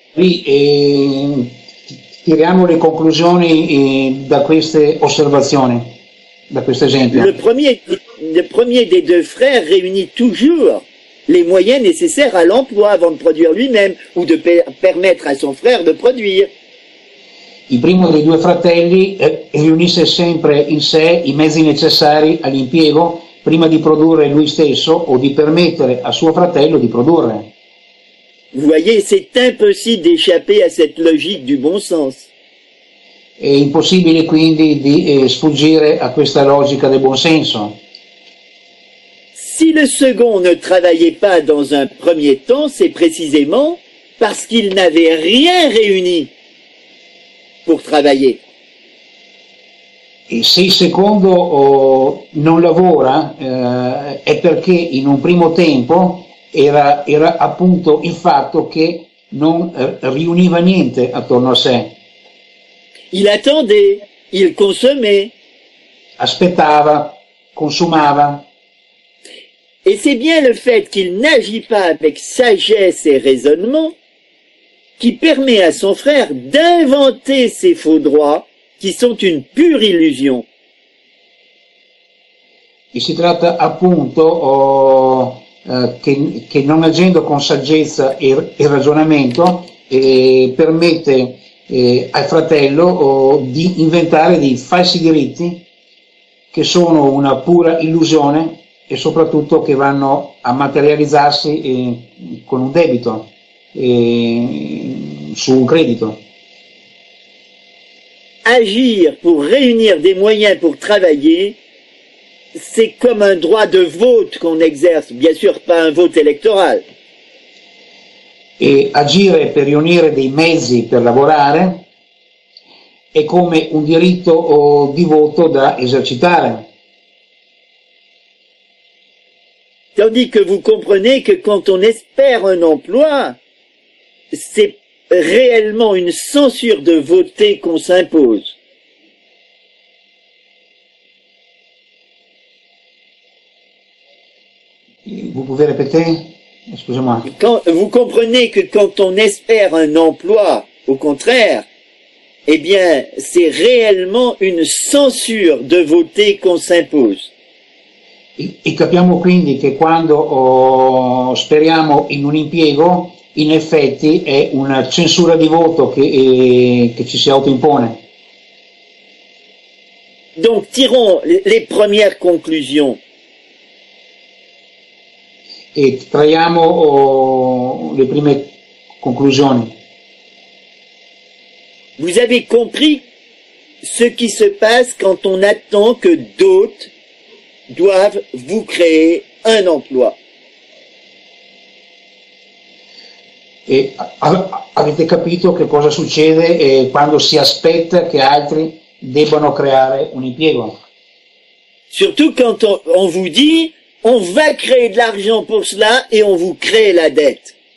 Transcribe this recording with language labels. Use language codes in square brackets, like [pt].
[it] Qui tiriamo le conclusioni da queste osservazioni, da questo [fr] Le [it] esempio. [fr] premier des deux frères réunit toujours les moyens nécessaires à l'emploi avant de produire lui-même ou de permettre à son frère de produire. [it] Il primo dei due fratelli riunisce sempre in sé i mezzi necessari all'impiego prima di produrre lui stesso o di permettere a suo fratello di produrre. [fr] Vous voyez, c'est impossible d'échapper à cette logique du bon sens. [it] È impossibile quindi di sfuggire a questa logica del buon senso. [fr] Si le second ne travaillait pas dans un premier temps, c'est précisément parce qu'il n'avait rien réuni pour travailler. [it] Se il secondo non lavora è perché in un primo tempo era appunto il fatto che non riuniva niente attorno a sé. [fr] Il attendait, il consommait. [it] Aspettava, consumava. [fr] Et c'est bien le fait qu'il n'agit pas avec sagesse et raisonnement qui permet à son frère d'inventer ses faux droits qui sont une pure illusion. [it] E si tratta appunto che non agendo con saggezza e ragionamento permette al fratello di inventare dei falsi diritti che sono una pura illusione e soprattutto che vanno a materializzarsi con un debito, su un credito. [fr] Agir pour réunir des moyens pour travailler, c'est comme un droit de vote qu'on exerce, bien sûr pas un vote électoral. [it] E agire per riunire dei mezzi per lavorare è come un diritto di voto da esercitare. [fr] Tandis que vous comprenez [it] che [fr] quand on espère un emploi, c'est réellement une censure de voter qu'on s'impose. Vous pouvez répéter? Excusez-moi. Vous comprenez que quand on espère un emploi, au contraire, eh bien, c'est réellement une censure de voter qu'on s'impose. [it] capiamo quindi che quando speriamo in un impiego, in effetti è una censura di voto che ci si autoimpone. [fr] Donc tirons les premières conclusions. [it] E traiamo le prime conclusioni. [fr] Vous avez compris ce qui se passe quand on attend que d'autres doivent vous créer un emploi. [it] E avete capito che cosa succede quando si aspetta che altri debbano creare un impiego? [fr] Surtout quand on vous dit on va créer de l'argent pour cela et on vous crée la dette.